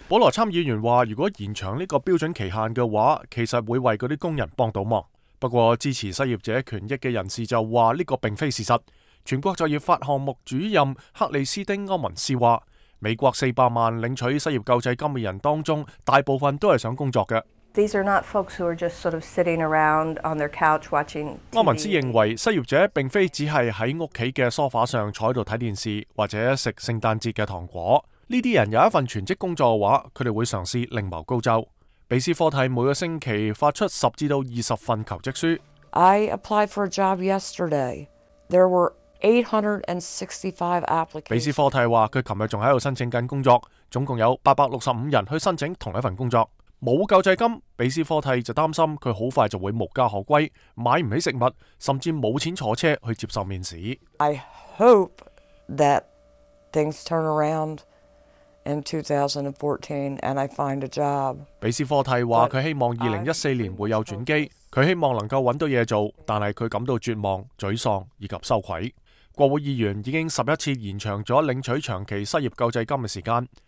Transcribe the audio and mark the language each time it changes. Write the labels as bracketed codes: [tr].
[yue] 保罗参议员话：，如果延长呢个标准期限的话，其实会为嗰啲工人帮到忙。不过支持失业者权益的人士就话呢个并非事实。全国就业法项目主任克里斯丁·欧文斯话。美国400万领取失业救济金的人当中，大部分都是想工作的。 [en] These are not folks who are just sort of sitting around on their couch watching TV。 [yue] 欧文斯认为，失业者并非只是在屋企的沙发上坐喺度睇电视或者食圣诞节的糖果。呢些人有一份全职工作的话，他哋会尝试另谋高就。比斯科蒂每个星期发出10至20份求职书。 [en] I applied for a job yesterday. There were865 applications。 [yue] 比斯科蒂话佢琴日仲喺度申请紧工作，总共有865人去申请同一份工作。冇救济金，比斯科蒂就担心佢好快就会无家可归，买唔起食物，甚至冇钱坐车去接受面试。 [en] I hope that things turn around in 2014 and I find a job。 [yue] 比斯科蒂话佢希望2014年会有转机，佢希望能够揾到嘢做，但系佢感到绝望、沮丧以及羞愧。国会议员已经11次延长了领取长期失业救济金的时间。